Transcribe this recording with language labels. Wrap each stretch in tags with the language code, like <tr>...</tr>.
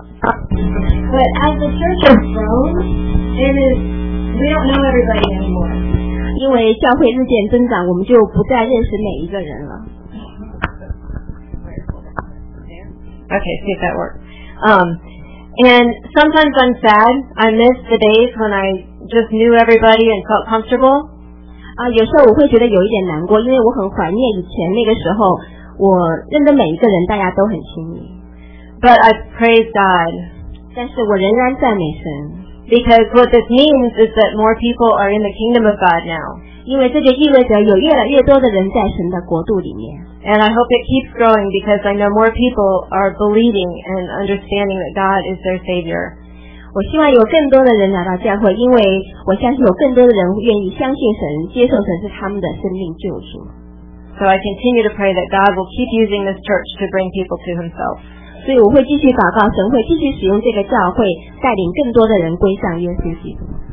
<en>But as the church has grown, we don't know everybody anymore.</en> <zh>因为教会日渐增长，我们就不再认识每一个人了。</zh> <en>Okay, see if that works. And sometimes I'm sad. I miss the days when I just knew everybody and felt comfortable.</en> <zh>有时候我会觉得有一点难过，因为我很怀念以前那个时候，我认得每一个人，大家都很亲密。</zh> <en>But I praise God.</en> <zh>但是我仍然赞美神。</zh> <en>Because what this means is that more people are in the kingdom of God now.</en> <zh>因为这就意味着有越来越多的人在神的国度里面。</zh> <en>And I hope it keeps growing because I know more people are believing and understanding that God is their Savior.</en> <zh>我希望有更多的人来到教会，因为我相信有更多的人愿意相信神，接受神是他们的生命救主。</zh> <en>So I continue to pray that God will keep using this church to bring people to himself.</en> <zh>所以我会继续祷告，神会继续使用这个教会，带领更多的人归向耶稣基督。</zh>